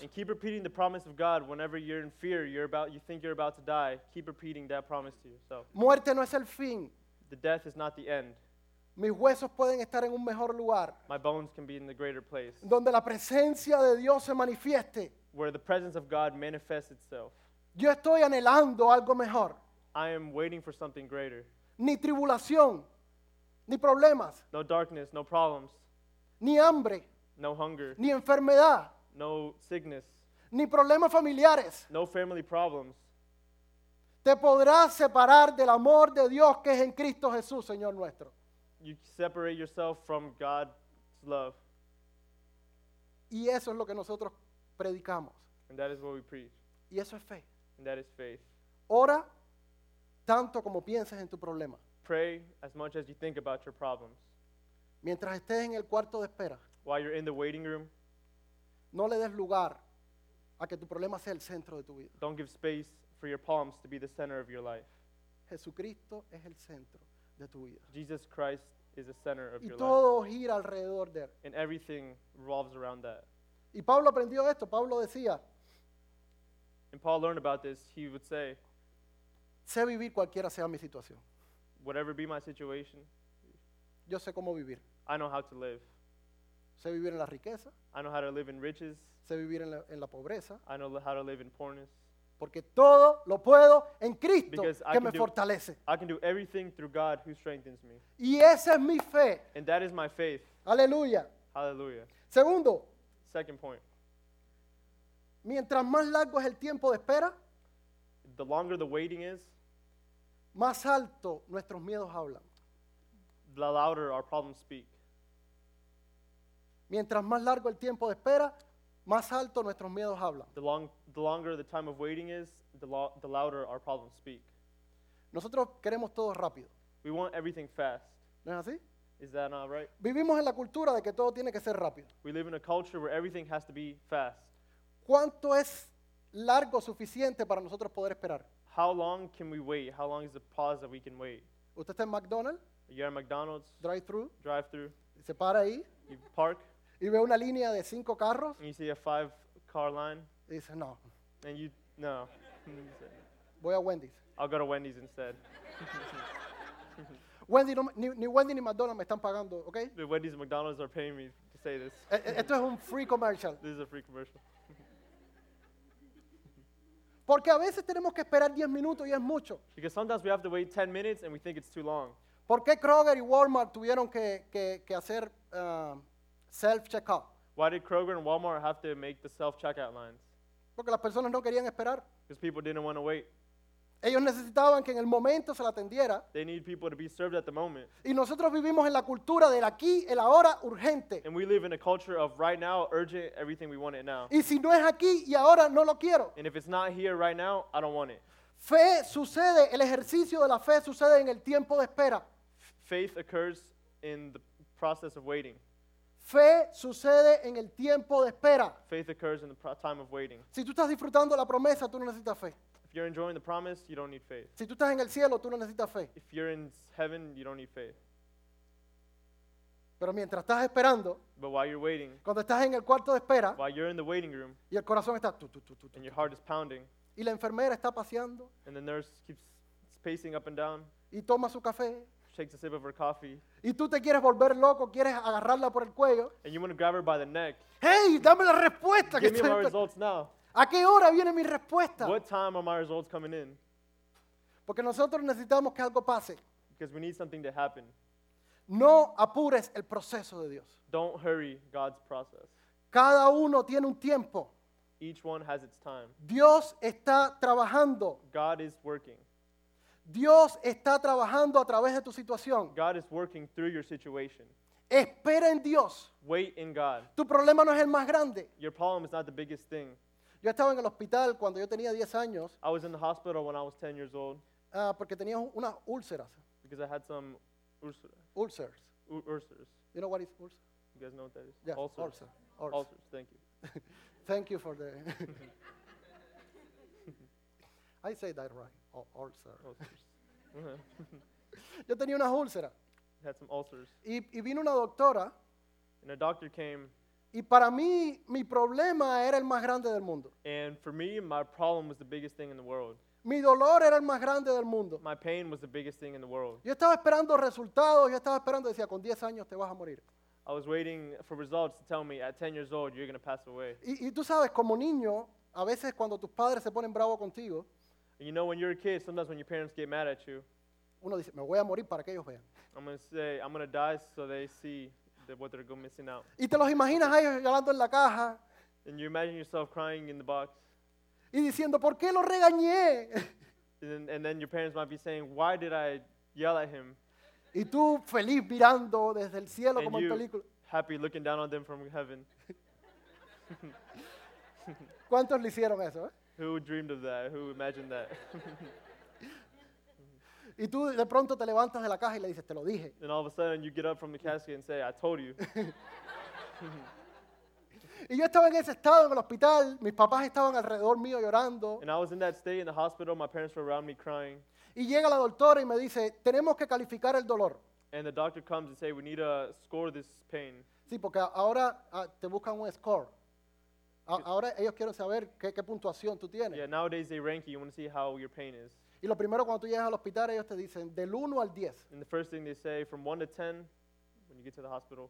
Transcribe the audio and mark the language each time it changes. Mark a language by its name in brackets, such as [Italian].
[English] And keep repeating the promise of God whenever you're in fear, you think you're about to die. Keep repeating that promise to yourself. [Spanish] Muerte no es el fin. [English] The death is not the end. [Spanish] Mis huesos pueden estar en un mejor lugar. [English] My bones can be in the greater place. [Spanish] Donde la presencia de Dios se manifieste. [English] Where the presence of God manifests itself. [Spanish] Yo estoy anhelando algo mejor. [English] I am waiting for something greater. [Spanish] Ni tribulación, ni problemas. [English] No darkness, no problems. [Spanish] Ni hambre. [English] No hunger. [Spanish] Ni enfermedad. [English] No sickness. [Spanish] Ni problemas familiares. [English] No family problems. [Spanish] Te podrás separar del amor de Dios que es en Cristo Jesús, Señor nuestro. [English] You separate yourself from God's love. [Spanish] Y eso es lo que nosotros predicamos. [English] And that is what we preach. [Spanish] Y eso es fe. [English] And that is faith. [Spanish] Ora tanto como pienses en tu problema. [English] Pray as much as you think about your problems. [Spanish] Mientras estés en el cuarto de espera. [English] While you're in the waiting room. [Spanish] No le des lugar a que tu problema sea el centro de tu vida. [English] Don't give space for your problems to be the center of your life. [Spanish] Jesucristo es el centro de tu vida. [English] Jesus Christ is the center of [Spanish] y [English] your [Spanish] todo [English] life. [Spanish] Gira alrededor de él. [English] And everything revolves around that. [Spanish] Y Pablo aprendió esto. Pablo decía. [English] And Paul learned about this. He would say. [Spanish] Sé vivir cualquiera sea mi situación. [English] Whatever be my situation. [Spanish] Yo sé cómo vivir. [English] I know how to live. [Spanish] Sé vivir en la riqueza. [English] I know how to live in riches. [Spanish] Sé vivir en la pobreza. [English] I know how to live in poorness. [Spanish] Porque todo lo puedo en Cristo que me fortalece. [English] I can do everything through God who strengthens me. [Spanish] Y esa es mi fe. [English] And that is my faith. [Spanish] Aleluya. [English] Hallelujah. [Spanish] Segundo. [English] Second point. [Spanish] Mientras más largo es el tiempo de espera, [English] the longer the waiting is, [Spanish] más alto nuestros miedos hablan. [English] The louder our problems speak. [Spanish] Mientras más largo el tiempo de espera, más alto nuestros miedos hablan. [English] The longer the time of waiting is, the louder our problems speak. [Spanish] Nosotros queremos todo rápido. [English] We want everything fast. [Spanish] ¿No es así? [English] Is that not right? [Spanish] Vivimos en la cultura de que todo tiene que ser rápido. [English] We live in a culture where everything has to be fast. [Spanish] ¿Cuánto es largo suficiente para nosotros poder esperar? [English] How long can we wait? How long is the pause that we can wait? [Spanish] ¿Usted está en McDonald's? [English] You're at McDonald's. Drive-through. [Spanish] Se para ahí. [English] You park. [Spanish] Y ve una línea de cinco carros. [English] And you see a 5-car line. [Spanish] Y dice, no. [English] And you, no. [Spanish] Voy a Wendy's. [English] I'll go to Wendy's instead. [Spanish] Wendy, no, ni Wendy ni McDonald's me están pagando, okay? [English] The Wendy's and McDonald's are paying me to say this. [Spanish] Esto es un [English] free commercial. This is a free commercial. [Spanish] Porque a veces tenemos que esperar 10 minutos y es mucho. [English] Because sometimes we have to wait 10 minutes and we think it's too long. [Spanish] ¿Por qué Kroger y Walmart tuvieron que hacer self-checkout? [English] Why did Kroger and Walmart have to make the self-checkout lines? [Spanish] Porque las personas no querían esperar. [English] Because people didn't want to wait. [Spanish] Ellos necesitaban que en el momento se la atendiera. [English] They need people to be served at the moment. [Spanish] Y nosotros vivimos en la cultura del aquí, el ahora, urgente. [English] And we live in a culture of right now, urgent, everything we want it now. [Spanish] Y si no es aquí y ahora, no lo quiero. [English] And if it's not here right now, I don't want it. [Spanish] Fe sucede, el ejercicio de la fe sucede en el tiempo de espera. [English] Faith occurs in the process of waiting. [Spanish] Fe sucede en el tiempo de espera. [English] Faith occurs in the time of waiting. [Spanish] Si tú estás disfrutando la promesa, tú no necesitas fe. [English] If you're enjoying the promise, you don't need faith. [Spanish] Si tú estás en el cielo, tú no necesitas fe. [English] If you're in heaven, you don't need faith. [Spanish] Pero mientras estás esperando, [English] but while you're waiting, [Spanish] cuando estás en el cuarto de espera, [English] while you're in the waiting room, [Spanish] y el corazón está tu, tu, tu, tu, tu, [English] and your heart is pounding, [Spanish] y la enfermera está paseando, [English] and the nurse keeps pacing up and down, [Spanish] y toma su café, [English] takes a sip of her coffee, [Spanish] y tú te quieres volver loco, quieres agarrarla por el cuello, [English] and you want to grab her by the neck. [Spanish] Hey, dame la respuesta. [English] Give me my results now. [Spanish] ¿A qué hora viene mi respuesta? [English] What time are my results coming in? [Spanish] Porque nosotros necesitamos que algo pase. [English] Because we need something to happen. [Spanish] No apures el proceso de Dios. [English] Don't hurry God's process. [Spanish] Cada uno tiene un tiempo. [English] Each one has its time. [Spanish] Dios está trabajando. [English] God is working. [Spanish] Dios está trabajando a través de tu situación. [English] God is working through your situation. [Spanish] Espera en Dios. [English] Wait in God. [Spanish] Tu problema no es el más grande. [English] Your problem is not the biggest thing. [Spanish] Yo estaba en el hospital cuando yo tenía 10 años. [English] I was in the hospital when I was 10 years old. [Spanish] Porque tenía unas úlceras. [English] Because I had some ulcers. Ulcers. You know what is ulcer? You guys know what that is? Yeah, ulcers. Ulcer. Ulcer. Ulcers, thank you. Thank you for the... I say that right. Ulcer. Ulcers. [Spanish] Yo tenía unas úlceras. [English] I had some ulcers. [Spanish] Y vino una doctora. [English] And a doctor came. [Spanish] Y para mí, mi problema era el más grande del mundo. [English] And for me, my problem was the biggest thing in the world. [Spanish] Mi dolor era el más grande del mundo. [English] My pain was the biggest thing in the world. [Spanish] Yo estaba esperando resultados, yo estaba esperando, decía, con 10 años te vas a morir. [English] I was waiting for results to tell me, at 10 years old, you're going to pass away. [Spanish] Y tú sabes, como niño, a veces cuando tus padres se ponen bravo contigo, [English] and you know, when you're a kid, sometimes when your parents get mad at you, [Spanish] uno dice, me voy a morir para que ellos vean. [English] I'm going to say, I'm going to die so they see what they're going missing out. [Spanish] Y te los imaginas ahí llorando en la caja. [English] And you imagine yourself crying in the box. [Spanish] Y diciendo, ¿por qué lo regañé? [English] And then your parents might be saying, why did I yell at him? [Spanish] Y tú feliz mirando desde el cielo como en película. [English] And you happy looking down on them from heaven. [Spanish] ¿Cuántos le hicieron eso? [English] Who dreamed of that? Who imagined that? [Spanish] Y tú de pronto te levantas de la caja y le dices, te lo dije. [English] And all of a sudden you get up from the casket and say, I told you. [Spanish] Y yo estaba en ese estado en el hospital. Mis papás estaban alrededor mío llorando. [English] And I was in that state in the hospital. My parents were around me crying. [Spanish] Y llega la doctora y me dice, tenemos que calificar el dolor. [English] And the doctor comes and says, we need to score this pain. [Spanish] Sí, porque ahora te buscan un score. Ahora ellos quieren saber qué puntuación tú tienes. [English] Yeah, nowadays they rank you. You want to see how your pain is. [Spanish] Y lo primero cuando tú llegas al hospital, ellos te dicen, del 1 al 10. [English] And the first thing they say, from 1 to 10, when you get to the hospital.